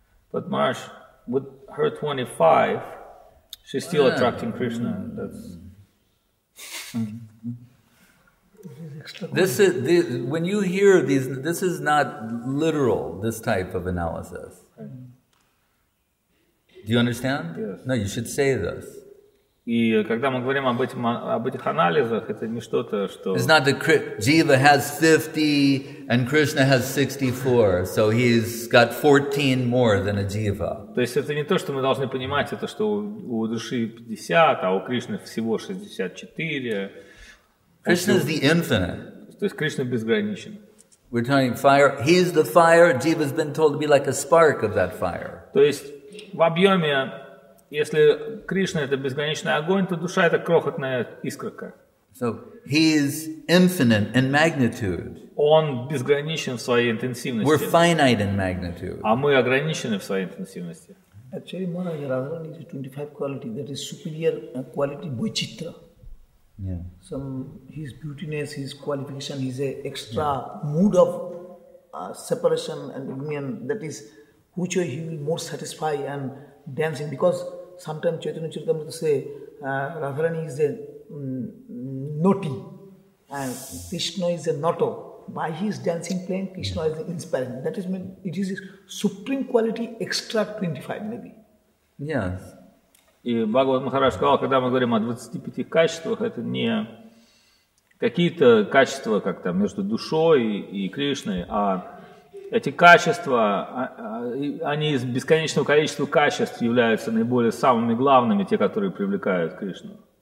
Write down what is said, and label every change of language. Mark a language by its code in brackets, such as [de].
[en] But Marsh, with her 25, she's still attracting Krishna. That's... This is the, when you hear these, this is not literal, this type of analysis. Do you understand? Yes. No, you should say this. [ru] И когда мы говорим об этих анализах, это не что-то, что... [en] It's not that jiva has 50 and Krishna has 64, so he's got 14 more than a jiva. [ru] То есть это не то, что мы должны понимать, это что у души 50, а у Кришны всего 64. [en] Krishna is the infinite. [ru] То есть Кришна безграничен. [en] We're talking fire. He's the fire. Jiva's been told to be like a spark of that fire. [ru] То есть в объеме, если Кришна это безграничный огонь, то душа это крохотная искорка. [en] So he's infinite in magnitude. [ru] Он безграничен в своей интенсивности. [en] We're finite in magnitude. [ru] А мы ограничены в своей интенсивности. [en] Actually, Mara Radharani is 25 quality. That is superior quality vaichitra. Yeah. Some his beautiness, his qualification, his extra mood of separation and union, that is which way he will more satisfy and dancing. Because sometimes Chaitanya Charitamrita say Radharani is a naughty and Krishna is a natto. By his dancing playing, Krishna is inspiring. That is mean it is his supreme quality extra 25 maybe. Yes. [ru] И Бхагават Махарадж сказал, когда мы говорим о 25 качествах, это не какие-то качества, как там, между душой и Кришной, а эти качества, они из бесконечного количества качеств являются наиболее самыми главными, те, которые привлекают Кришну.